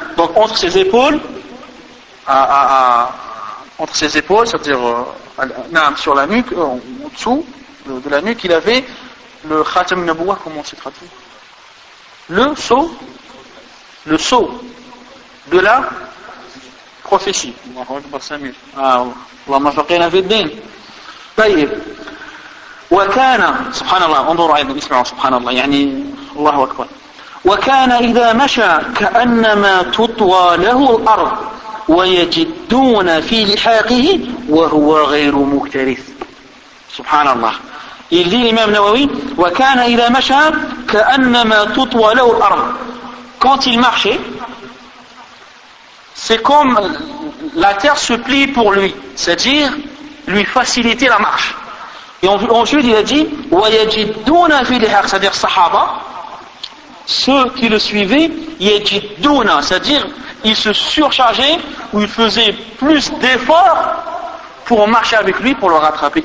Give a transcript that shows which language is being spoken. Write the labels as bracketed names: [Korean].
[French] Donc entre ses épaules, entre ses épaules, c'est-à-dire sur la nuque, en dessous de la nuque, il avait le khatam nubuwah, comment on s'est traduit? Le sceau de la prophétie. [Arabic] Allahumma faqina fid din. طيب وكان سبحان الله انظروا ايضا اسمعوا سبحان الله يعني الله اكبر وكان اذا مشى كانما تطوى له الارض ويجدون في لحاقه وهو غير مكترث. سبحان الله. [French] Il dit l'imam Nawawi, [Arabic] وكان اذا مشى كانما تطوى له الارض. [French] Quand il marchait, c'est comme la terre se plie pour lui, c'est-à-dire lui faciliter la marche. Et ensuite, il a dit, [Arabic] وَيَجِدُّونَ فِي الْحَرْ, [French] c'est-à-dire Sahaba, ceux qui le suivaient, [Arabic] يَجِدُّونَ, [French] c'est-à-dire ils se surchargeaient ou ils faisaient plus d'efforts pour marcher avec lui, pour le rattraper.